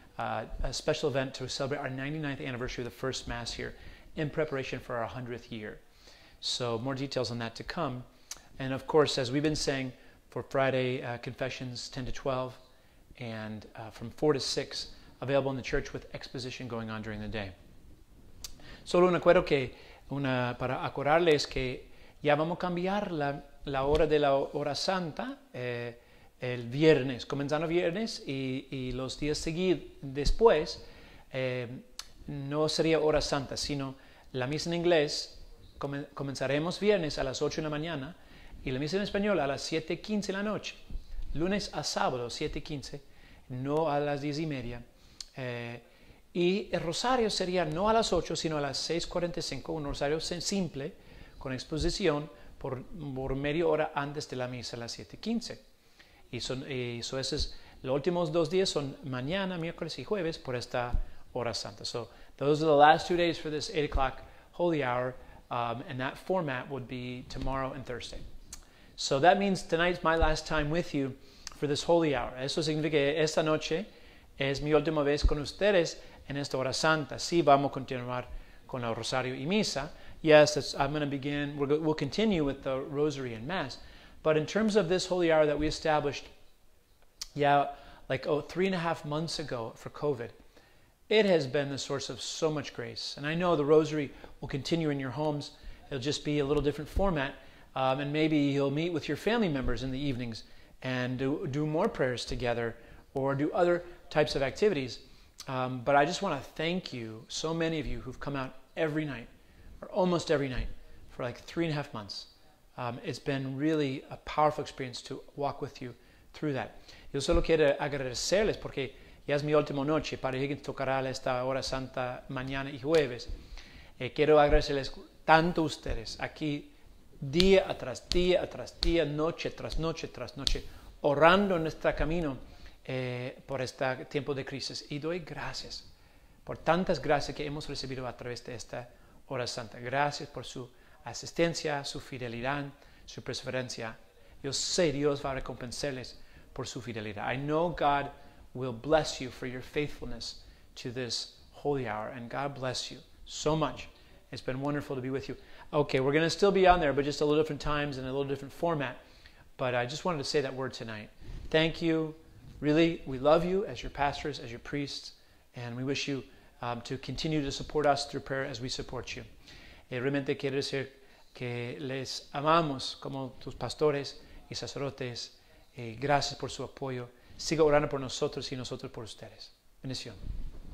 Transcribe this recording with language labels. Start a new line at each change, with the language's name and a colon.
English: A special event to celebrate our 99th anniversary of the first Mass here in preparation for our 100th year. So more details on that to come. And of course, as we've been saying, for Friday confessions 10 to 12 and from 4 to 6 available in the church with exposition going on during the day.
Spanish: Solo un acuerdo que una para acordarles que ya vamos a cambiar la hora de la hora santa el viernes, comenzando viernes y los días seguidos después no sería hora santa, sino la misa en inglés comenzaremos viernes a las 8 de la mañana y la misa en español a las 7:15 de la noche, lunes a sábado 7:15, no a las 10:30. Y el rosario sería no a las 8, sino a las 6:45, un rosario simple con exposición por media hora antes de la misa a las 7:15. Y esos los últimos dos días son mañana, miércoles y jueves por esta hora santa.
English: So those are the last 2 days for this 8 o'clock holy hour, and that format would be tomorrow and Thursday. So that means tonight's my last time with you for this holy hour.
Spanish: Eso significa que esta noche es mi última vez con ustedes en esta hora santa. Sí, vamos a continuar con el rosario y misa.
English: Yes, I'm going to begin, we'll continue with the rosary and mass. But in terms of this holy hour that we established, three and a half months ago for COVID, it has been the source of so much grace. And I know the rosary will continue in your homes. It'll just be a little different format. And maybe you'll meet with your family members in the evenings and do more prayers together or do other types of activities. But I just want to thank you, so many of you who've come out every night, or almost every night, for like 3.5 months. It's been really a powerful experience to walk with you through that.
Spanish: Yo solo quiero agradecerles porque ya es mi última noche para que tocará esta hora santa mañana y jueves. Quiero agradecerles tanto a ustedes aquí día tras día, tras día, noche tras noche, tras noche, orando en este camino por este tiempo de crisis. Y doy gracias por tantas gracias que hemos recibido a través de esta hora santa. Gracias por su asistencia, su fidelidad, su perseverancia. Yo sé Dios va a recompensarles por su fidelidad.
English: I know God will bless you for your faithfulness to this holy hour. And God bless you so much. It's been wonderful to be with you. Okay, we're going to still be on there, but just a little different times and a little different format. But I just wanted to say that word tonight. Thank you. Really, we love you as your pastors, as your priests. And we wish you to continue to support us through prayer as we support you.
Spanish: Y realmente quiero decir que les amamos como tus pastores y sacerdotes. Y gracias por su apoyo. Siga orando por nosotros y nosotros por ustedes. Bendición.